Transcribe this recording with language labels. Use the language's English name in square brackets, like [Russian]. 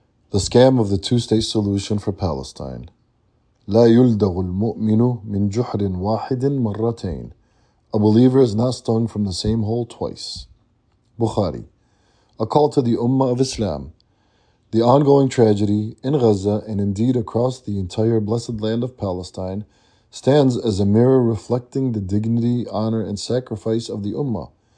[English] The scam of the two-state solution for Palestine. [Arabic] لا يلدغ المؤمن من جحر واحد مرتين. [English] A believer is not stung from the same hole twice. Bukhari. A call to the Ummah of Islam. The ongoing tragedy in Gaza and indeed across the entire blessed land of Palestine stands as a mirror reflecting the dignity, honor, and sacrifice of the Ummah.